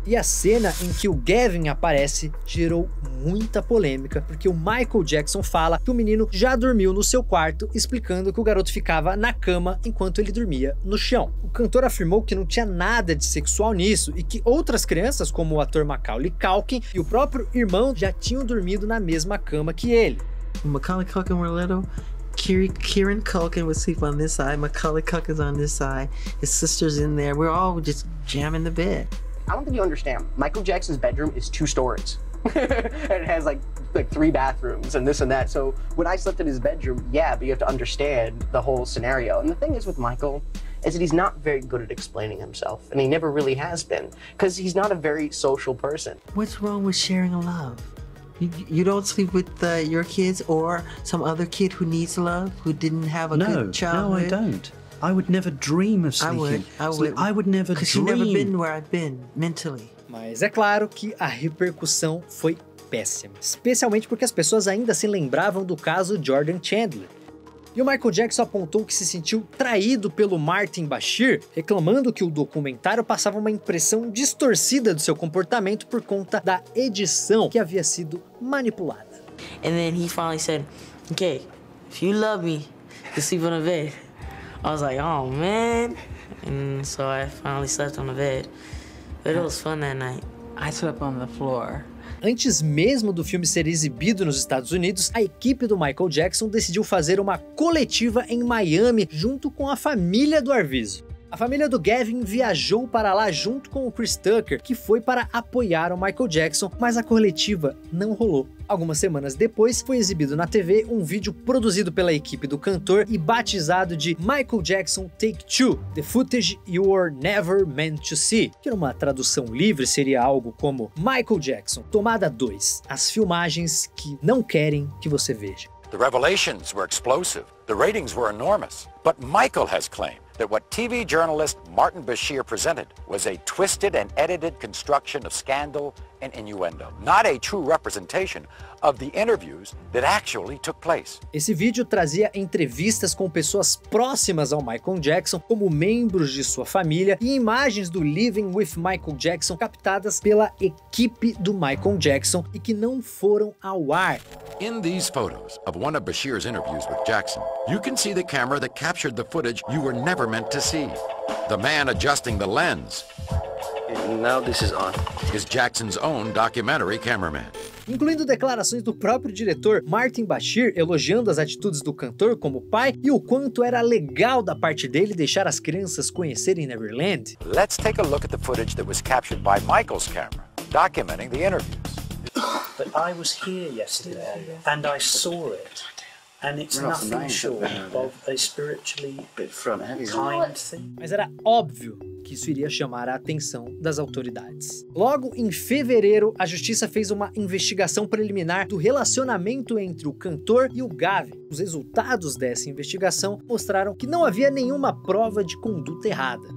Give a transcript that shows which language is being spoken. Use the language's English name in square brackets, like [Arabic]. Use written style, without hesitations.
[Portuguese] E a cena em que o Gavin aparece gerou muita polêmica, porque o Michael Jackson fala que o menino já dormiu no seu quarto, explicando que o garoto ficava na cama enquanto ele dormia no chão. O cantor afirmou que não tinha nada de sexual nisso e que outras crianças, como o ator Macaulay Culkin e o próprio irmão, já tinham dormido na mesma cama que ele. [English] O Macaulay Culkin were little. Kieran Culkin would sleep on this side, Macaulay Culkin's on this side, his sister's in there, we're all just jamming the bed. I don't think you understand, Michael Jackson's bedroom is two stories. And it has like three bathrooms and this and that, so when I slept in his bedroom, yeah, but you have to understand the whole scenario. And the thing is with Michael, is that he's not very good at explaining himself, and he never really has been, because he's not a very social person. What's wrong with sharing a love? You don't sleep with your kids or some other kid who needs love, who didn't have a good childhood? No, I don't. I would never dream of sleeping. I would never dream. Because you've never been where I've been, mentally. [Portuguese] Mas é claro que a repercussão foi péssima. Especialmente porque as pessoas ainda se lembravam do caso Jordan Chandler. E o Michael Jackson apontou que se sentiu traído pelo Martin Bashir, reclamando que o documentário passava uma impressão distorcida do seu comportamento por conta da edição que havia sido manipulada. [English] And then he finally said, "Okay, if you love me, you sleep on the bed." I was like, "Oh man!" And so I finally slept on the bed, but it was fun that night. I slept on the floor. [Portuguese] Antes mesmo do filme ser exibido nos Estados Unidos, a equipe do Michael Jackson decidiu fazer uma coletiva em Miami junto com a família do Arvizo. A família do Gavin viajou para lá junto com o Chris Tucker, que foi para apoiar o Michael Jackson, mas a coletiva não rolou. Algumas semanas depois, foi exibido na TV um vídeo produzido pela equipe do cantor e batizado de Michael Jackson Take Two, The Footage You Were Never Meant to See, que numa tradução livre seria algo como Michael Jackson, tomada 2, as filmagens que não querem que você veja. [English] The revelations were explosive, the ratings were enormous, but Michael has claimed that what TV journalist Martin Bashir presented was a twisted and edited construction of scandal and innuendo, not a true representation of the interviews that actually took place. [Portuguese] Esse vídeo trazia entrevistas com pessoas próximas ao Michael Jackson, como membros de sua família, e imagens do Living with Michael Jackson captadas pela equipe do Michael Jackson e que não foram ao ar. [English] In these photos of one of Bashir's interviews with Jackson, you can see the camera that captured the footage you were never meant to see. The man adjusting the lens Now this is on. Is Jackson's own documentary cameraman. [Portuguese] Incluindo declarações do próprio diretor Martin Bashir elogiando as atitudes do cantor como pai e o quanto era legal da parte dele deixar as crianças conhecerem Neverland. [English] Let's take a look at the footage that was captured by Michael's camera, documenting the interviews. But I was here yesterday and I saw it. And it's nothing short of a spiritually kind thing. [Portuguese] Mas era óbvio que isso iria chamar a atenção das autoridades. Logo, em fevereiro, a justiça fez uma investigação preliminar do relacionamento entre o cantor e o Gavin. Os resultados dessa investigação mostraram que não havia nenhuma prova de conduta errada.